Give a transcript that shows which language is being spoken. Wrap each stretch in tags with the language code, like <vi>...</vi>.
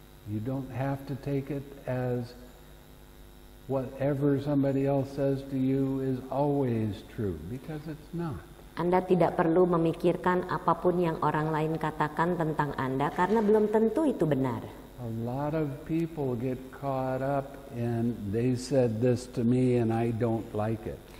<en>You don't have to take it as whatever somebody else says to you is always true, because it's not.</en> <id>Anda tidak perlu memikirkan apapun yang orang lain katakan tentang Anda karena belum tentu itu benar.</id> <en>A lot of people get caught up in they said this to me and I don't like it.</en>